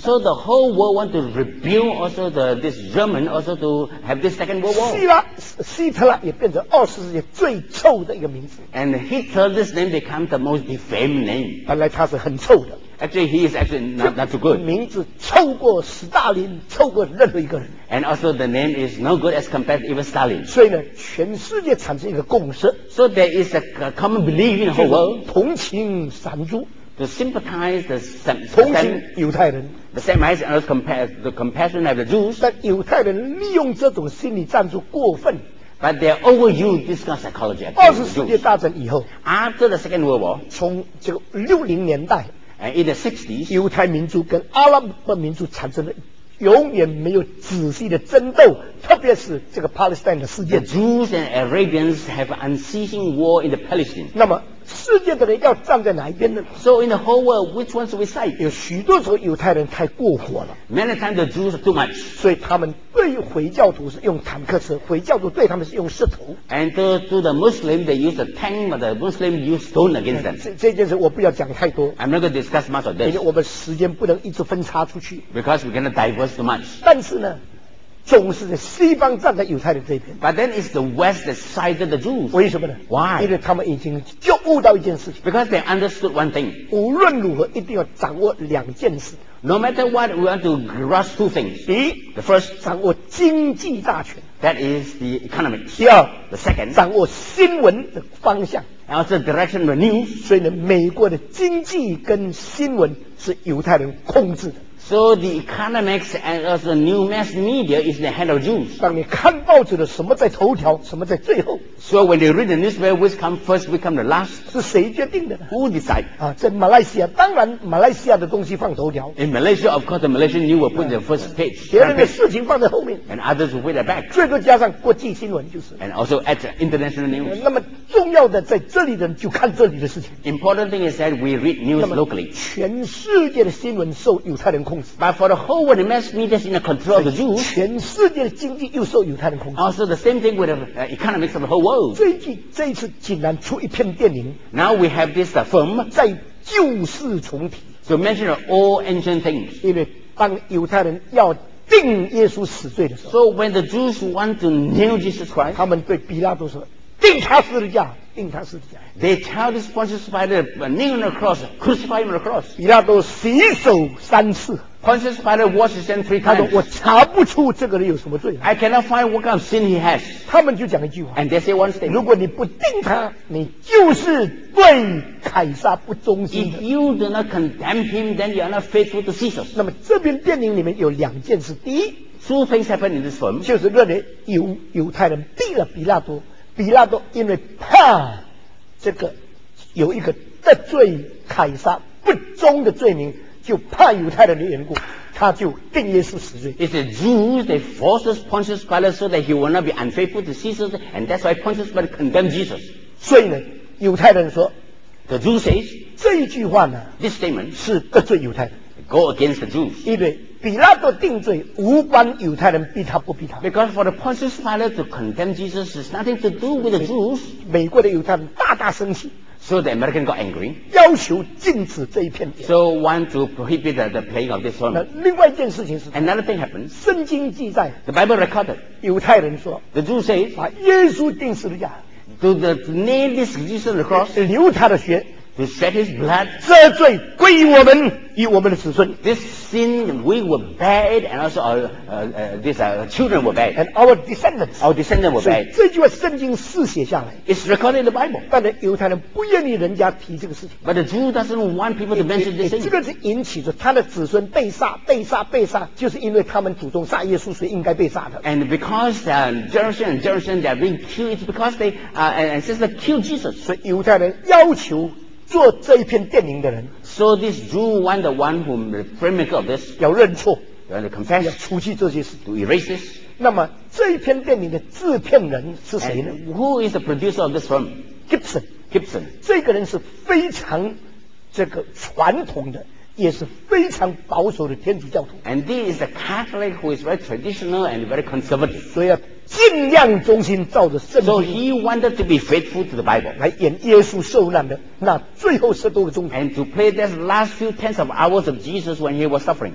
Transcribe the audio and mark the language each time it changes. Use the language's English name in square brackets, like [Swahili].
[English] So the whole world want to rebuild also this German also to have this Second World War. [Chinese] 希特拉也变成二次世界最臭的一个名字。 [English] And Hitler, this name become the most defamed name. [Chinese] 本来他是很臭的。 [English] Actually, he is actually not too good. [Chinese] 名字臭过斯大林，臭过任何一个人。 [English] And also, the name is no good as compared to even Stalin. [Chinese] 所以呢，全世界产生一个共识。 [English] So there is a common belief in the whole world. [Chinese] 同情闪族。 [English] To sympathize the Sem. [Chinese] 同情犹太人。 [English] The Semites and also the compassion of the Jews. [Chinese] 但犹太人利用这种心理战术过分。 [English] But they overuse this kind of psychology. [Chinese] 二次世界大战以后。 [English] After the Second World War. [Chinese] 从这个六零年代。 [English] And in the 60s, [Chinese] 犹太民族跟阿拉伯民族产生了永远没有仔细的争斗，特别是这个 Palestine 的事件。 [English] The Jews and Arabians have unceasing war in the Palestine. [Chinese] 那么世界的人要站在哪一边呢？ [English] So in the whole world, which ones we side? [Chinese] 有许多时候犹太人太过火了。 [English] Many times the Jews too much. [Chinese] 所以他们对于回教徒是用坦克车，回教徒对他们是用石头。 [English] And to the Muslims, they use a tank, but the Muslims use stone against them. [Chinese] 这件事我不要讲太多。 [English] I'm not going to discuss much of this. [Chinese] 因为我们时间不能一直分叉出去。 [English] Because we're going to diverse too much. [Chinese] 但是呢，总是在西方站在犹太人这边。 [English] But then it's the West that sided the Jews. [Chinese] 为什么呢 [English] ？Why？ [Chinese] 因为他们已经就悟到一件事情。 [English] Because they understood one thing. [Chinese] 无论如何，一定要掌握两件事。 [English] No matter what, we want to grasp two things. [Chinese] 第一 [English] ，the first， [Chinese] 掌握经济大权。 [English] That is the economics. [Chinese] 第二 [English] ，the second， [Chinese] 掌握新闻的方向。 [English] And also direction of the news. [Chinese] 所以呢，美国的经济跟新闻是犹太人控制的。 [English] So the economics and also new mass media is the hand of Jews. [Chinese] 当你看报纸的什么在头条，什么在最后 [English] ？So when they read the newspaper, which come first, which come the last? [Chinese] 是谁决定的呢 [English] ？Who decide? [Chinese] 啊，在马来西亚，当然马来西亚的东西放头条。 [English] In Malaysia, of course, the Malaysian news will put the first page. [Chinese] 别人的事情放在后面。 [English] And others will wait at back. [Chinese] 最多加上国际新闻就是。 [English] And also at international news. [Chinese] 那么重要的在这里的人就看这里的事情。 [English] Important thing is that we read news locally. [Chinese] 全世界的新闻受犹太人控制。 [English] But for the whole world, the mass media is in the control of the Jews. [Chinese] 全世界的经济又受犹太人控制。 [English] Also, the same thing with the economics of the whole world. [Chinese] 这一次竟然出一篇电影。 [English] Now we have this film. [Chinese] 在旧事重提。 [English] So mention all ancient things. [Chinese] 因为当犹太人要定耶稣死罪的时候。 [English] So when the Jews want to nail Jesus Christ. [Chinese] 他们对比拉多说，定他十字架。定他十字架。 [English] They tell this Pontius Pilate, kneel on the cross, crucify him on the cross. [Chinese] 比拉多洗手三次。 [English] Pontius Pilate washes him three times. [Chinese] 他说我查不出这个人有什么罪。 [English] I cannot find what kind of sin he has. [Chinese] 他们就讲一句话。 [English] And they say one statement. [Chinese] 如果你不定他，你就是对凯撒不忠心的。 [English] If you do not condemn him, then you are not faithful to Caesar. [Chinese] 那么这边电影里面有两件事。第一 [English] ，Two things happen in this film. [Chinese] 就是认为犹太人毙了比拉多。比拉多因为怕这个有一个得罪凯撒不忠的罪名，就怕犹太人的缘故，他就定耶稣死罪。 [English] It's the Jews that forces Pontius Pilate so that he will not be unfaithful to Caesar, and that's why Pontius Pilate condemned Jesus. [Chinese] 所以呢，犹太人说 [English] ，The Jews say [Chinese] 这一句话呢 [English] ，This statement [Chinese] 是得罪犹太人 [English] ，Go against the Jews. [Chinese] 因为比拉多定罪无关犹太人逼他不逼他。 [English] Because for the Pontius Pilate to condemn Jesus is nothing to do with the Jews. [Chinese] 美国的犹太人大大生气。 [English] So the American got angry. [Chinese] 要求禁止这一片。 [English] So want to prohibit the playing of this film. [Chinese] 另外一件事情是。 [English] Another thing happened. [Chinese] 圣经记载。 [English] The Bible recorded. [Chinese] 犹太人说。 [English] The Jews say. [Chinese] 把耶稣钉十字架。 [English] To nail this Jesus on the cross. [Chinese] 流他的血。 [English] He shed his blood. [Chinese] 这罪归于我们，与我们的子孙。 [English] This sin we will bear it, and also our children will bear it. And our descendants will bear it. [Chinese] 这句话圣经是写下来。 [English] It's recorded in the Bible. [Chinese] 但是犹太人不愿意人家提这个事情。 [English] But the Jew doesn't want people to mention this thing. [Chinese] 这个是引起着他的子孙被杀，被杀，被杀，就是因为他们祖宗杀耶稣是应该被杀的。 [English] And because generation they're being killed, it's because they ancestors killed Jesus. [Chinese] 所以犹太人要求。做这一片殿营的人 [English] ，So this Jew want the one whom the framemaker of this [Chinese] 要认错 [English] ，want to confess [Chinese] 要除去这些事 [English] ，to erase this。 [Chinese] 那么这一片殿营的制片人是谁呢 [English] ？And who is the producer of this film? Gibson。 [Chinese] 这个人是非常这个传统的，也是非常保守的天主教徒。 [English] And this is a Catholic who is very traditional and very conservative。 [Chinese] 所以要尽量忠心照着圣经。 [English] So he wanted to be faithful to the Bible。 [Chinese] 来演耶稣受难的那最后十多个钟头。 [English] And to play the last few tens of hours of Jesus when he was suffering。